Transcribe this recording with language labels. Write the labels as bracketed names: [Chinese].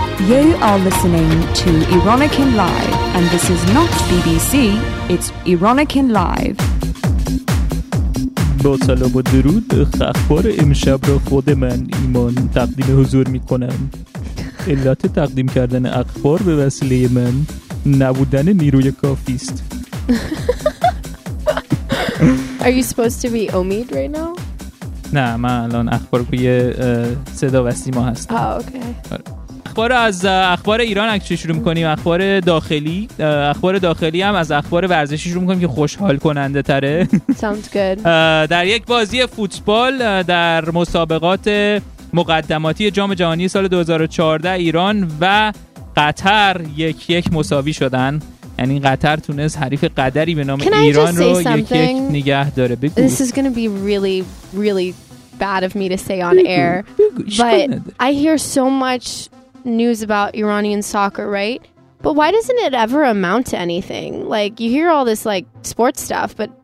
[English] You are listening to Ironikin Live, and this is not BBC, it's Ironikin Live. [Persian] با سلام و درود، اخبار امشب را خود من ایمان تقدیم حضور می کنم. علت تقدیم کردن اخبار به وسیله من نبودن نیروی کافی است. [English] Are you supposed to be Omid right now? [Persian] نه، من الان اخبار کوی صدا و سیما هستم. آه، اوکی. اخبار از اخبار ایران اکچه شروع میکنیم، اخبار داخلی هم از اخبار ورزشی شروع میکنیم که خوشحال کننده تره. در یک بازی فوتبال در مسابقات مقدماتی جام جهانی سال 2014 ایران و قطر 1-1 مساوی شدن، یعنی قطر تونست حریف قدری به نام ایران رو 1-1 نگه داره. بگو. [English] This is gonna be really really bad of me to say on air, but I hear so much news about Iranian soccer, right? But why doesn't it ever amount to anything? Like, you hear all this like sports stuff, but